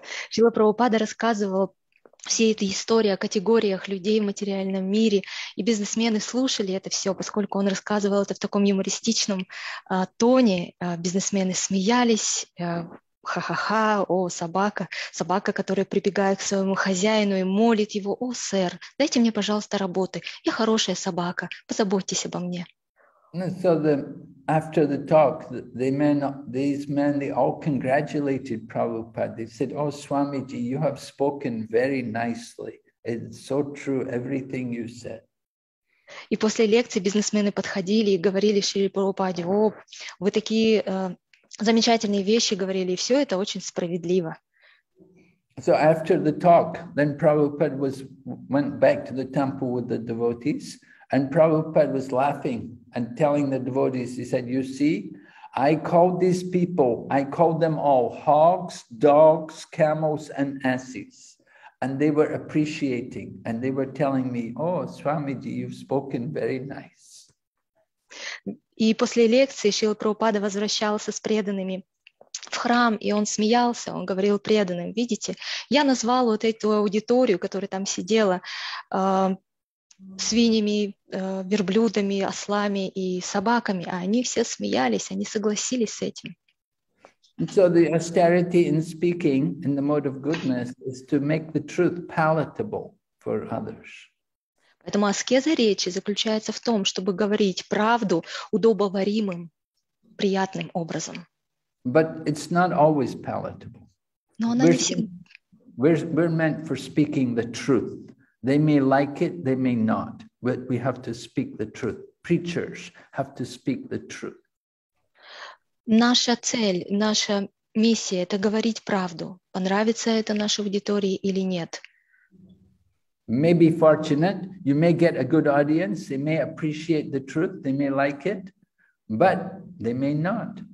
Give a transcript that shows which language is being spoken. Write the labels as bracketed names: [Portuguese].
[Russian] Шрила Прабхупада рассказывал все эти истории о категориях людей в материальном мире, и бизнесмены слушали это все, поскольку он рассказывал это в таком юмористичном тоне, бизнесмены смеялись. Ха-ха-ха, о, собака, собака, которая прибегает к своему хозяину и молит его, о, сэр, дайте мне, пожалуйста, работы, я хорошая собака, позаботьтесь обо мне. [English] So the, after the talk, the men, these men, they all congratulated Prabhupada. They said, oh, Swamiji, you have spoken very nicely. It's so true, everything you said. [Russian] И после лекции бизнесмены подходили и говорили Шри Прабхупаде, о, вы такие... замечательные вещи говорили, и все это очень справедливо. [English] So after the talk, then Prabhupada was went back to the temple with the devotees, and Prabhupada was laughing and telling the devotees, he said, you see, I called these people, I called them all hogs, dogs, camels, and asses. And they were appreciating, and they were telling me, oh, Swamiji, you've spoken very nice. [Russian] И после лекции Шрила Прабхупада возвращался с преданными в храм, и он смеялся, он говорил преданным, видите, я назвал вот эту аудиторию, которая там сидела, свиньями, верблюдами, ослами и собаками, а они все смеялись, они согласились с этим. [English] And so the austerity in speaking in the mode of goodness is to make the truth palatable for others. [Russian] Поэтому аскеза речи заключается в том, чтобы говорить правду удобоваримым, приятным образом. [English] But it's not always palatable. [Russian] Но она не всегда. [English] We're meant for speaking the truth. They may like it, they may not. But we have to speak the truth. Preachers have to speak the truth. [Russian] Наша цель, наша миссия — это говорить правду. Понравится это нашей аудитории или нет? [English] may be fortunate, you may get a good audience, they may appreciate the truth, they may like it, but they may not.